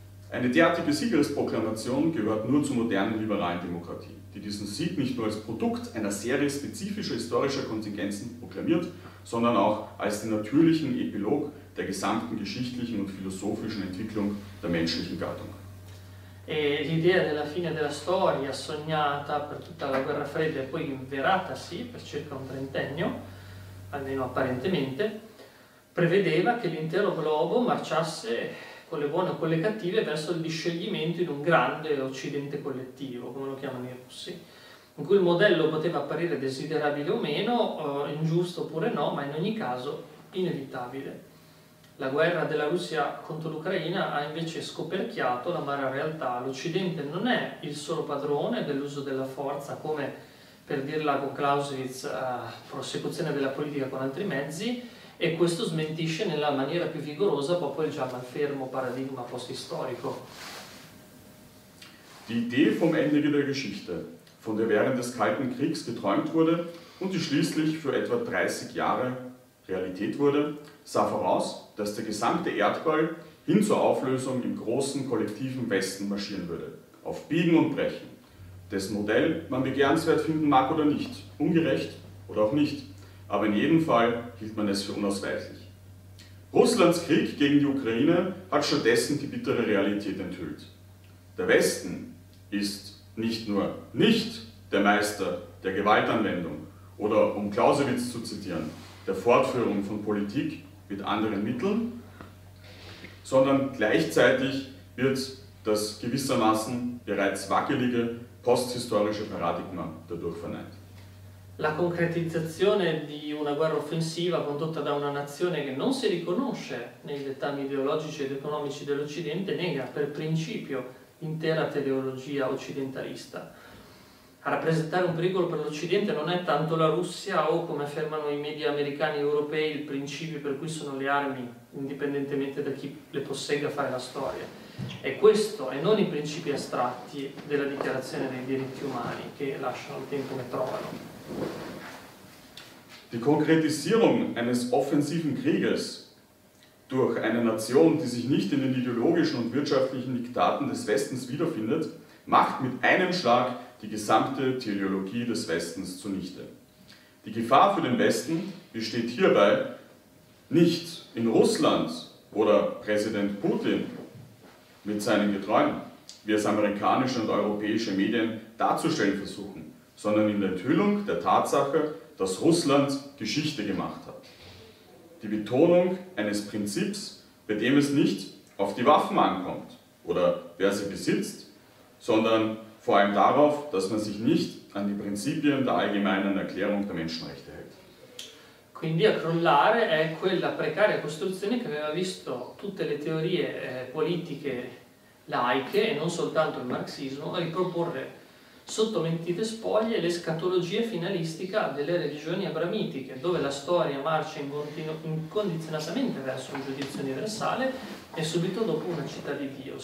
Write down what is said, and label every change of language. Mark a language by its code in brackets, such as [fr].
[de] Eine derartige Siegesproklamation gehört nur zur modernen liberalen Demokratie, die diesen Sieg nicht nur als Produkt einer Serie spezifischer historischer Kontingenzen proklamiert, sondern auch als den natürlichen Epilog der gesamten geschichtlichen und philosophischen Entwicklung der menschlichen Gattung. [it] E l'idea della fine della storia, sognata per tutta la Guerra Fredda e poi inveratasi per circa un trentennio, almeno apparentemente, prevedeva che l'intero globo marciasse con le buone o con le cattive verso il disceglimento in un grande occidente collettivo, come lo chiamano i russi, in cui il modello poteva apparire desiderabile o meno, ingiusto oppure no, ma in ogni caso inevitabile. La guerra della Russia contro l'Ucraina ha invece scoperchiato l'amara realtà. L'Occidente non è il solo padrone dell'uso della forza, come per dirla con Clausewitz, prosecuzione della politica con altri mezzi, e questo smentisce nella maniera più vigorosa proprio il già malfermo paradigma post-storico. [de] Die Idee vom Ende der Geschichte, von der während des Kalten Kriegs geträumt wurde und die schließlich für etwa 30 Jahre Realität wurde, sah voraus, dass der gesamte Erdball hin zur Auflösung im großen kollektiven Westen marschieren würde, auf Biegen und Brechen. Dessen Modell man begehrenswert finden mag oder nicht, ungerecht oder auch nicht, aber in jedem Fall hielt man es für unausweichlich. Russlands Krieg gegen die Ukraine hat stattdessen die bittere Realität enthüllt. Der Westen ist nicht nur nicht der Meister der Gewaltanwendung oder, um Clausewitz zu zitieren, der Fortführung von Politik mit anderen Mitteln, sondern gleichzeitig wird das gewissermaßen bereits wackelige posthistorische Paradigma dadurch verneint. [it] La concretizzazione di una guerra offensiva condotta da una nazione che non si riconosce nei dettami ideologici ed economici dell'Occidente nega per principio l'intera teleologia occidentalista. A rappresentare un pericolo per l'Occidente non è tanto la Russia o, come affermano i media americani e europei, il principio per cui sono le armi, indipendentemente da chi le possegga, a fare la storia. È questo, e non i principi astratti della Dichiarazione dei diritti umani, che lasciano il tempo che trovano. [de] Die Konkretisierung eines offensiven Krieges durch eine Nation, die sich nicht in den ideologischen und wirtschaftlichen Diktaten des Westens wiederfindet, macht mit einem Schlag die gesamte Theologie des Westens zunichte. Die Gefahr für den Westen besteht hierbei nicht in Russland oder Präsident Putin mit seinen Getreuen, wie es amerikanische und europäische Medien darzustellen versuchen, sondern in der Enthüllung der Tatsache, dass Russland Geschichte gemacht hat. Die Betonung eines Prinzips, bei dem es nicht auf die Waffen ankommt oder wer sie besitzt, sondern vor allem darauf, dass man sich nicht an die Prinzipien der allgemeinen Erklärung der Menschenrechte hält. [it] Quindi a crollare è quella precaria costruzione che aveva visto tutte le teorie politiche laiche e non soltanto il marxismo riproporre sotto mentite spoglie l'escatologia finalistica delle religioni abramitiche, dove la storia marcia incondizionatamente verso un giudizio universale e subito dopo una città di Dio.